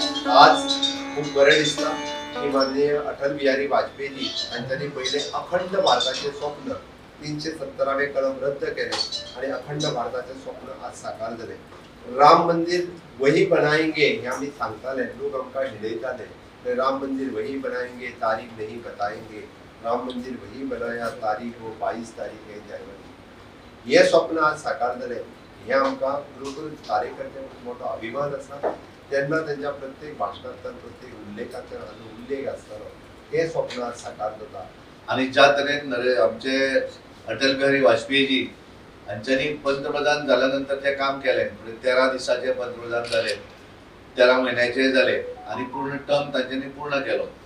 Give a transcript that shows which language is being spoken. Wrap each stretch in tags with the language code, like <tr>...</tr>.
<mr>आज खूप बरे दिसता की माननीय अटल बिहारी वाजपेयी यांनी पहिले अखंड भारताचे स्वप्न 370वे कलम रद्द केले आणि अखंड भारताचे स्वप्न आज साकार झाले.</mr> <hi>राम मंदिर वही बनाएंगे</hi> <gom>हे आम्ही सांगताले, लोक आमका हिडयताले.</gom> <hi>राम मंदिर वही बनाएंगे, तारीख नहीं बताएंगे. राम मंदिर वही बनाया, तारीख वो 22 तारीख है जानेवारी.</hi> <gom>हे स्वप्न आज साकार झाले हे आमका गुरुकुल कार्यकर्ते मोठा अभिमान असा.</gom> <mr>त्यांना त्यांच्या प्रत्येक भाषणातल्या प्रत्येक उल्लेखाच्या आणि उल्लेख असतो हे स्वप्न आज साकार झाला. आणि ज्या तऱ्हेन आमचे अटल बिहारी वाजपेयीजी यांच्यानी पंतप्रधान झाल्यानंतर ते काम केले, म्हणजे 13 दिवसाचे पंतप्रधान झाले, 13 महिन्याचे झाले आणि पूर्ण टर्म त्यांच्यानी पूर्ण केलं.</mr>